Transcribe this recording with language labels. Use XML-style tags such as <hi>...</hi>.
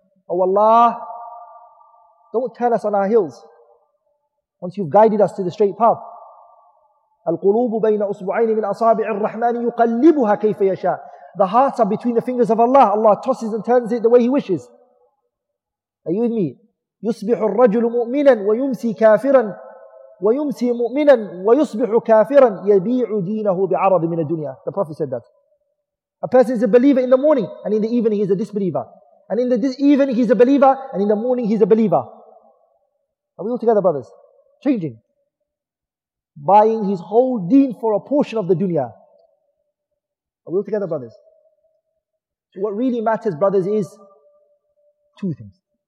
<en>Oh Allah, don't turn us on our heels once you've guided us to the straight path.</en> <ar>الْقُلُوبُ بَيْنَ أُصْبُعَيْنِ مِنْ أَصَابِعِ الرَّحْمَنِ يُقَلِّبُهَا كَيْفَ يَشَاءُ.</ar> <en>The hearts are between the fingers of Allah. Allah tosses and turns it the way He wishes. Are you with me?</en> <ar>يصبح الرجل مؤمنا ويمسي كافرا ويمسي مؤمنا ويصبح كافرا يبيع دينه بعرض من الدنيا.</ar> <en>The Prophet said that. A person is a believer in the morning and in the evening he is a disbeliever. And in the evening he is a believer and in the morning he is a believer. Are we all together, brothers? Changing. Buying his whole deen for a portion of the dunya. Are we all together, brothers? So what really matters, brothers, is two things.</en>